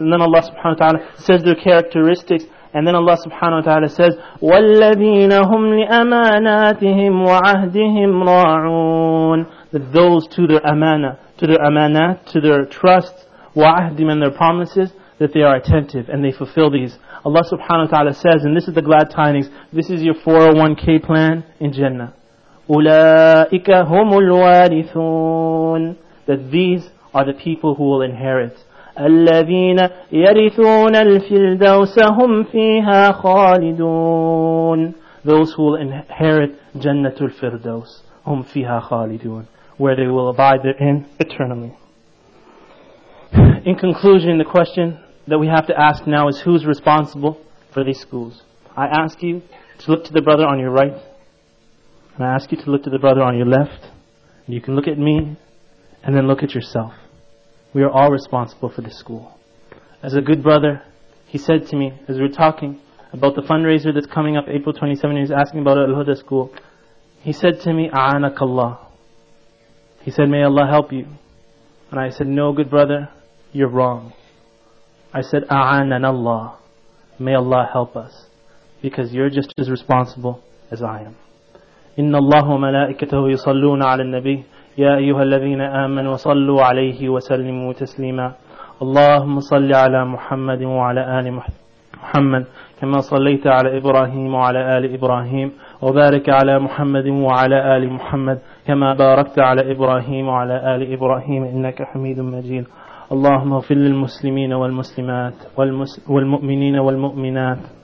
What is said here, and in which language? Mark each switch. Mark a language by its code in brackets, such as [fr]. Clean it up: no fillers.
[en] And then Allah subhanahu wa ta'ala says their characteristics. And then Allah subhanahu wa ta'ala says, [ar] وَالَّذِينَ هُمْ لِأَمَانَاتِهِمْ وَعَهْدِهِمْ رَاعُونَ, [en] that those to their amana, to their amanat, to their trusts, وَعَهْدِهِمْ, and their promises, that they are attentive and they fulfill these. Allah subhanahu wa ta'ala says, and this is the glad tidings, this is your 401k plan in Jannah. [ar] أُولَٰئِكَ هُمُ الْوَارِثُونَ, [en] that these are the people who will inherit. [ar] الَّذِينَ يَرِثُونَ الْفِرْدَوْسَ هُمْ فِيهَا خَالِدُونَ, [en] those who will inherit [ar] جَنَّةُ الْفِرْدَوْسِ هُمْ فِيهَا خَالِدُونَ, [en] where they will abide therein eternally. In conclusion, the question that we have to ask now is, who's responsible for these schools? I ask you to look to the brother on your right, and I ask you to look to the brother on your left, and you can look at me, and then look at yourself. We are all responsible for this school. As a good brother, he said to me, as we were talking about the fundraiser that's coming up April 27, he was asking about Al-Huda school, He said to me, "A'anak Allah." He said, "May Allah help you." And I said, "No, good brother, you're wrong." I said, "A'anan Allah. May Allah help us. Because you're just as responsible as I am." [ar] إن الله وملائكته يصلون على النبي يا أيها الذين آمنوا صلوا عليه وسلموا تسليما اللهم صل على محمد وعلى آل محمد كما صليت على إبراهيم وعلى آل إبراهيم وبارك على محمد وعلى آل محمد كما باركت على إبراهيم وعلى آل إبراهيم إنك حميد مجيد اللهم اغفر للمسلمين والمسلمات والمؤمنين والمؤمنات